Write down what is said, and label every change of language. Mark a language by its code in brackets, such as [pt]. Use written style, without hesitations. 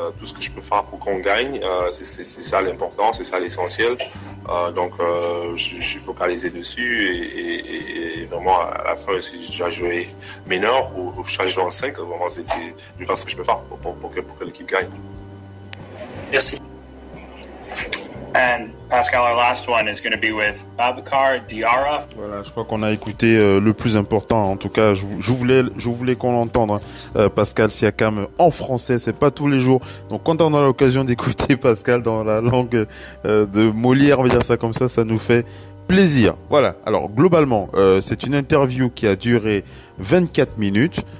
[fr] Tout ce que je peux faire pour qu'on gagne, c'est ça l'important, c'est ça l'essentiel. Donc, je suis focalisé dessus et vraiment, à la fin, si je dois jouer mineur ou je dois jouer en 5, vraiment, c'est, je vais faire ce que je peux faire pour que l'équipe gagne. Merci. [en] And Pascal, our last one is going to be with Babacar Diarra. [fr] Voilà, je crois qu'on a écouté le plus important. En tout cas, je voulais qu'on l'entende, Pascal Siakam, en français. C'est pas tous les jours. Donc, quand on a l'occasion d'écouter Pascal dans la langue de Molière, on va dire ça comme ça, ça nous fait plaisir. Voilà. Alors, globalement, c'est une interview qui a duré 24 minutes.